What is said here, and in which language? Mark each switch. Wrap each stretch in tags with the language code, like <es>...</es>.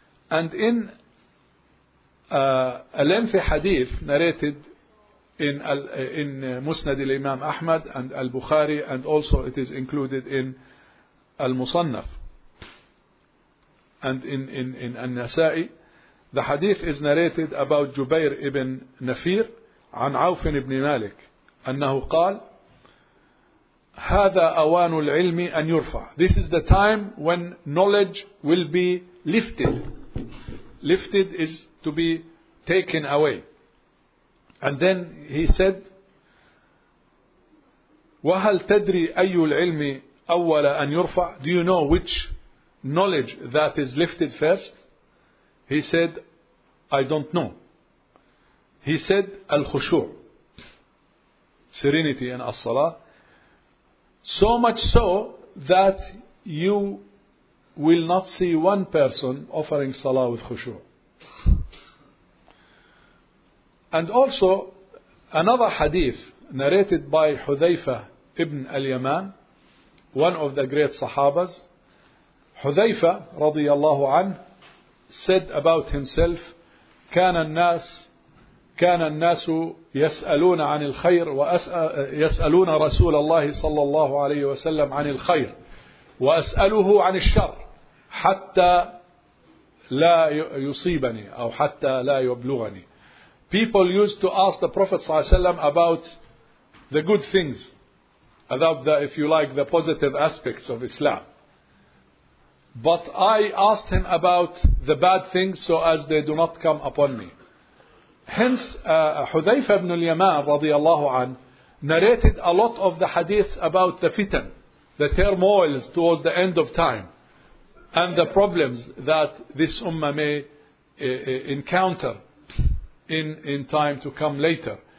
<en>And in a lengthy hadith narrated in Musnad al-Imam Ahmad and al-Bukhari, and also it is included in al-Musannaf and in al-Nasa'i, the hadith is narrated about Jubair ibn Nafir</en> <ar>عن عوف</ar> <en>ibn Malik</en> <ar>أنه قال: هذا أوان العلم أن يرفع.</ar> <en>This is the time when knowledge will be lifted. Lifted is to be taken away. And then he said,</en> <ar>وَهَلْ تَدْرِي أَيُّ الْعِلْمِ أَوَّلَ أَنْ يُرْفَعَ.</ar> <en>Do you know which knowledge that is lifted first? He said, I don't know. He said, الخشوع, serenity in as-salah. So much so that you will not see one person offering salah with خشوع. And also another hadith narrated by Hudhayfa ibn al-Yaman, one of the great Sahabas. Hudhayfa radiyallahu anhu said about himself,</en> <ar>كان الناس يسألون عن الخير يسألون رسول الله صلى الله عليه وسلم عن الخير وأسأله عن الشر حتى لا يصيبني أو حتى لا يبلغني.</ar> <en>People used to ask the Prophet</en> <ar>صلى الله عليه وسلم</ar> <en>about the good things, about the, if you like, the positive aspects of Islam. But I asked him about the bad things so as they do not come upon me. Hence, Hudhayfa ibn al-Yaman radiallahu an narrated a lot of the hadiths about the fitan, the turmoils towards the end of time, and the problems that this ummah may encounter in time to come later.</en>